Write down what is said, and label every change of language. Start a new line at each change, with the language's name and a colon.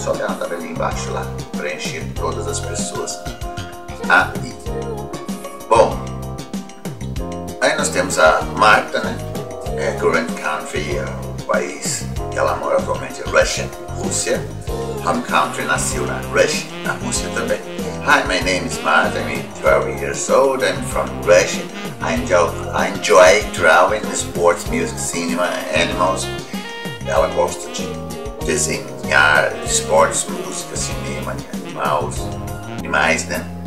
Portuguese: Só olhar na tabelinha embaixo lá. Preencher todas as pessoas. Ah, e... bom, aí nós temos a Marta, né? É
English: current country,
Portuguese: é o país que ela mora atualmente. Russia, Rússia.
English: Home country,
Portuguese: nasceu na Russia, na Rússia também.
English: Hi, my name is Marta, I'm 12 years old, I'm from Russia. I enjoy traveling, sports, music, cinema, animals.
Portuguese: Ela gosta de desenhar esportes, música, cinema, animais, né?